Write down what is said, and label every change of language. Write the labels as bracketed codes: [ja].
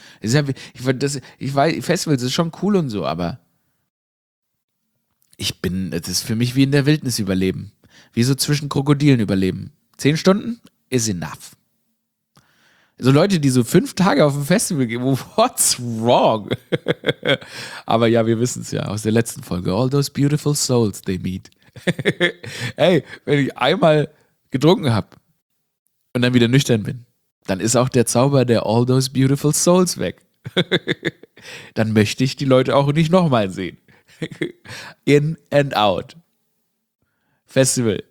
[de] Festivals ist schon cool und so, aber das ist für mich wie in der Wildnis überleben. Wie so zwischen Krokodilen überleben. 10 Stunden [en] is enough. [de] So Leute, die so 5 Tage auf dem Festival gehen, [en] what's wrong? [de] Aber ja, wir wissen es ja aus der letzten Folge. [en] All those beautiful souls they meet. [de] Hey, wenn ich einmal getrunken habe und dann wieder nüchtern bin, dann ist auch der Zauber der [en] All Those Beautiful Souls [de] weg. Dann möchte ich die Leute auch nicht nochmal sehen. [en] In and out. [de] Festival.